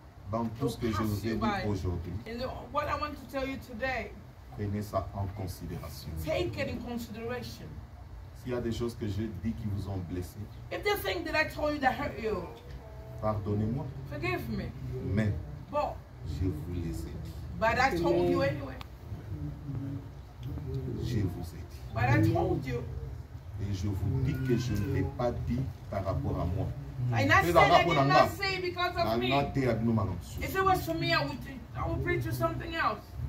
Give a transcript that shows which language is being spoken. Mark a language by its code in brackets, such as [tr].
[fr] Dans tout ce que je vous ai dit aujourd'hui. [en] And what I want to tell you today. [fr] Prenez ça en considération. [en] Take it in consideration. [fr] S'il y a des choses que j'ai dit qui vous ont blessé. [en] If the thing that I told you that hurt you. [fr] Pardonnez-moi. [en] Forgive me. [fr] Mais. [en] But. [fr] Je vous l'ai dit. [en] But I told you anyway. [fr] Je vous ai dit. [en] But I told you. [fr] Et je vous dis que je ne l'ai pas dit par rapport à moi. [en] And I said that I did not say because of me. If it was for me, I would preach you something else.